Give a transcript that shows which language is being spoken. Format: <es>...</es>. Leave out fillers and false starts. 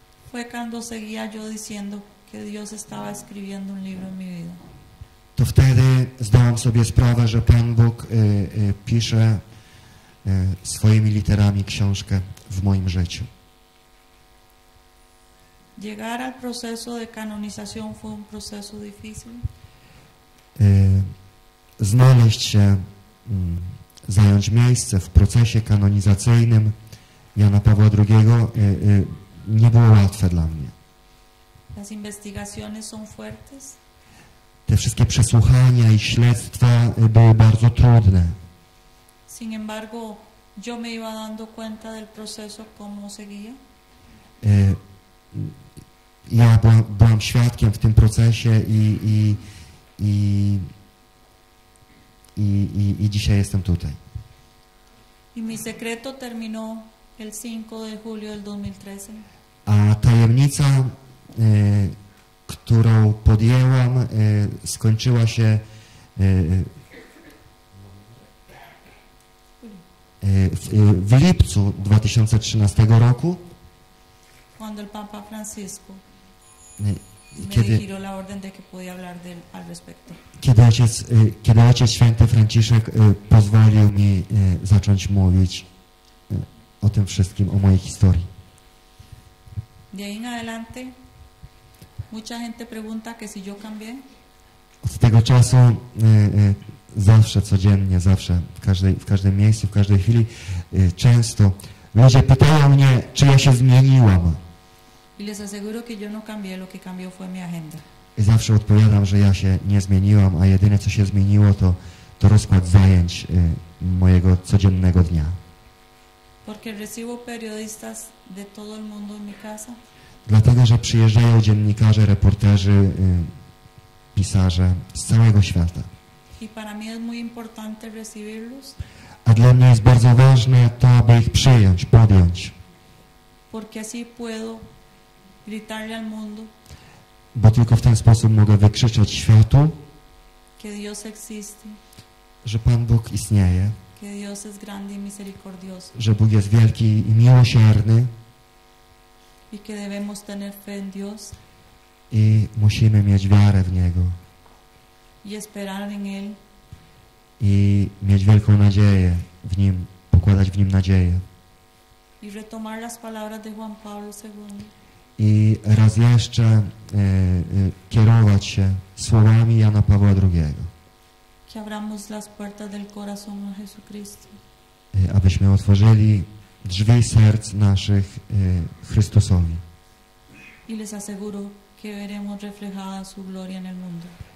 <es>Fue cuando seguía yo diciendo que Dios estaba escribiendo un libro en mi vida.</es> <pl>To wtedy zdałam sobie sprawę, że Pan Bóg pisze swoimi literami książkę w moim życiu.</pl> <es>Llegar al proceso de canonización fue un proceso difícil.</es> <pl>Znaleźć się zająć miejsce w procesie kanonizacyjnym Jana Pawła II nie było łatwe dla mnie.</pl> <es>Las investigaciones son fuertes.</es> <pl>Te wszystkie przesłuchania i śledztwa były bardzo trudne.</pl> <es>Sin embargo, yo me iba dando cuenta del proceso como seguía.</es> <pl>Ja byłam świadkiem w tym procesie i dzisiaj jestem tutaj.</pl> <es>Y mi secreto terminó el 5 de julio del 2013.</es> <pl>A tajemnica, którą podjęłam, skończyła się 5 lipca 2013 roku.</pl> <es>Cuando el Papa Francisco</es> <pl>kiedy,</pl> <es>me giró la orden de que podía hablar de él al respecto.</es> <pl>Kiedy ojciec święty Franciszek pozwolił mi zacząć mówić o tym wszystkim, o mojej historii.</pl> <es>De ahí en adelante, mucha gente pregunta que si yo cambié.</es> <pl>Od tego czasu zawsze, codziennie, zawsze, w każdym miejscu, w każdej chwili, często ludzie pytają mnie, czy ja się zmieniłam.</pl> <es>Y les aseguro que yo no cambié, lo que cambió fue mi agenda.</es> <pl>I zawsze odpowiadam, że ja się nie zmieniłam, a jedyne, co się zmieniło, to rozkład zajęć mojego codziennego dnia.</pl> <es>Porque recibo periodistas de todo el mundo en mi casa.</es> <pl>Dlatego, że przyjeżdżają dziennikarze, reporterzy, pisarze z całego świata.</pl> <es>Y para mí es muy importante recibirlos.</es> <pl>A dla mnie jest bardzo ważne to, aby ich przyjąć, podjąć.</pl> <es>Porque así puedo gritarle al mundo,</es> <pl>bo tylko w ten sposób mogę wykrzyczeć światu,</pl> <es>que Dios existe,</es> <pl>że Pan Bóg istnieje,</pl> <es>que Dios es grande y misericordioso,</es> <pl>że Bóg jest wielki i miłosierny</pl> <es>y que debemos tener fe en Dios,</es> <pl>i musimy mieć wiarę w Niego</pl> <es>y esperar en él,</es> <pl>i mieć wielką nadzieję w Nim, pokładać w Nim nadzieję</pl> <es>y retomar las palabras de Juan Pablo II.</es> <pl>I raz jeszcze kierować się słowami Jana Pawła II.</pl> <es>Que abramos las puertas del corazón a Jesucristo.</es> <pl>Abyśmy otworzyli drzwi serc naszych Chrystusowi.</pl> <es>Y les aseguro que veremos reflejada su gloria en el mundo.</es>